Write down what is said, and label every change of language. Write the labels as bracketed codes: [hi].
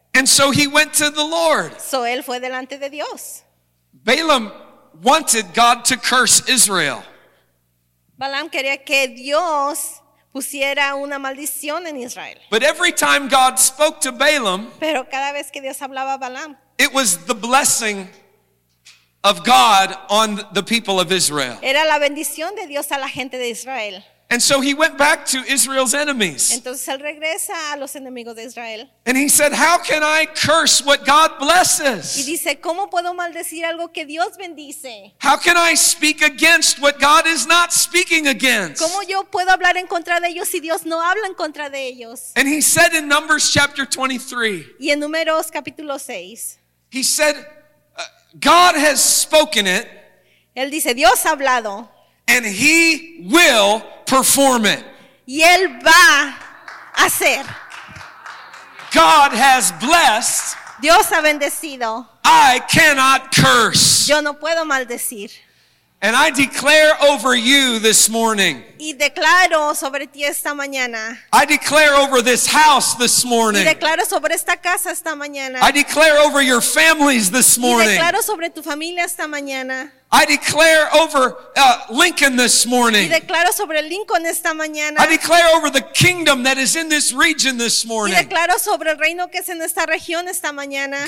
[en] And so he went to the Lord. [es] So él fue delante de Dios. [en] Balaam wanted God to curse Israel. [es] Balaam quería que Dios pusiera una maldición en Israel. [en] But every time God spoke to Balaam, [es] pero cada vez que Dios hablaba a Balaam, [en] it was the blessing of God on the people of Israel. [es] Era la bendición de Dios a la gente de Israel. [en] And so he went back to Israel's enemies. [es] Entonces él regresa a los enemigos de Israel. [en] And he said, "How can I curse what God blesses?" [es] Y dice, ¿cómo puedo maldecir algo que Dios bendice? [en] "How can I speak against what God is not speaking against?" [es] ¿Cómo yo puedo hablar en contra de ellos si Dios no habla en contra de ellos? [en] And he said in Numbers chapter 23. [es] Y en Números capítulo 6. [en] He said, "God has spoken it." [es] Él dice, Dios ha hablado. [en] And he will perform it. [es] Y él va a hacer. [en] God has blessed. [es] Dios ha bendecido. [en] I cannot curse. [es] Yo no puedo maldecir. [en] And I declare over you this morning. [es] Y declaro sobre ti esta mañana. [en] I declare over this house this morning. [es] Y declaro sobre esta casa esta mañana. [en] I declare over your families this morning. [es] Y declaro sobre tu familia esta mañana. [en] I declare over Lincoln this morning. [es] Y declaro sobre Lincoln esta mañana. [en] I declare over the kingdom that is in this region this morning. [es] Y declaro sobre el reino que es en esta región esta mañana.